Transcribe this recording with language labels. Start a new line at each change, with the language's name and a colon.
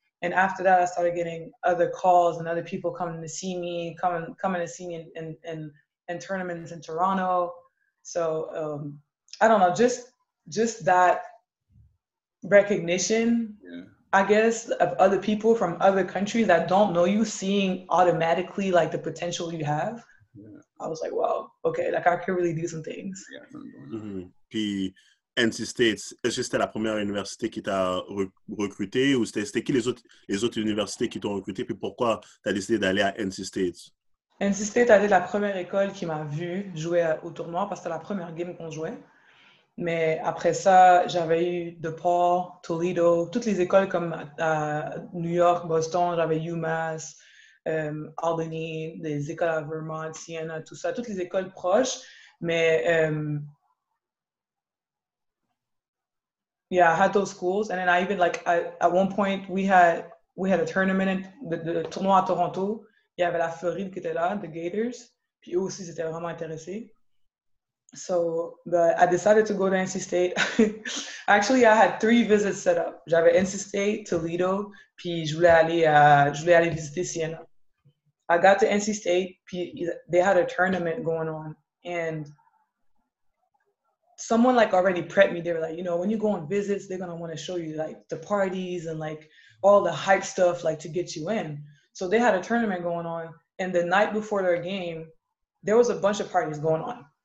English: And after that, I started getting other calls and other people coming to see me, coming to see me in tournaments in Toronto. So I don't know, just that recognition, yeah. I guess, of other people from other countries that don't know you, seeing automatically like the potential you have. Yeah. I was like, wow, okay, like I can really do some things. Yeah. Mm-hmm.
French: NC State, est-ce que c'était la première université qui t'a recruté ou c'était qui les autres universités qui t'ont recruté, puis pourquoi t'as décidé d'aller à NC State? NC State a été la première école qui m'a vu jouer au tournoi parce que c'était la première game qu'on jouait. Mais après ça, j'avais eu DePaul, Toledo, toutes les écoles comme à New York, Boston, j'avais UMass, Albany, les écoles à Vermont, Siena, tout ça, toutes les écoles proches. Mais
English: Yeah, I had those schools, and then I even like at one point we had a tournament in the
French: tournoi à Toronto. Il y avait la Floride qui était là, the Gators. Puis eux aussi, ils étaient vraiment intéressés.
English: So, but I decided to go to NC State. Actually, I had three visits set up.
French: J'avais NC State, Toledo, puis je voulais aller visiter Siena.
English: I got to NC State, puis they had a tournament going on, and someone like already prepped me. They were like, you know, when you go on visits, they're gonna want to show you like the parties and like all the hype stuff like to get you in. So they had a tournament going on, and the night before their game, there was a bunch of parties going on.